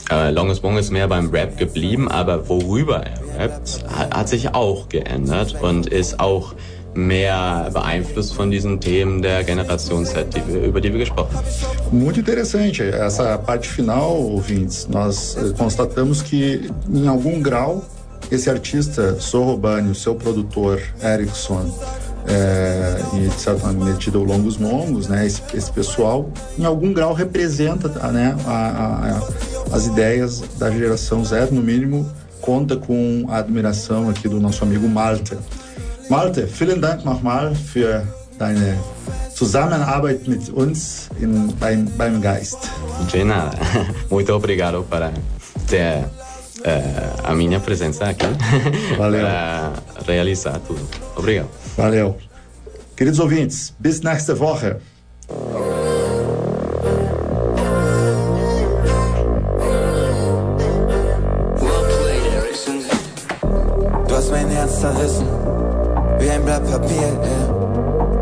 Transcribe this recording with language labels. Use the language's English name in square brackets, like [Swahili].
[German] Longus Mongus ist mehr beim Rap geblieben, aber worüber er rappt, hat sich auch geändert und ist auch mehr beeinflusst von diesen Themen der Generation Z, über die wir gesprochen haben. [Portuguese] Muito interessante essa parte final, ouvintes. Nós constatamos que, em algum grau, esse artista, Soho Bani, seu produtor, Eriksson, e de certa medida o Longus Mongus, né, esse pessoal, em algum grau representa, né, as ideias da geração Z, no mínimo, conta com a admiração aqui do nosso amigo Malte. [German] Malte, vielen Dank nochmal für deine Zusammenarbeit mit uns beim Geist. [Portuguese] De nada. Muito obrigado para ter a minha presença aqui. Valeu. Realizar tudo. Obrigado. Valeu. Queridos ouvintes, [German] bis nächste Woche. Du hast mein Herz zerrissen, wie ein Blatt Papier, yeah.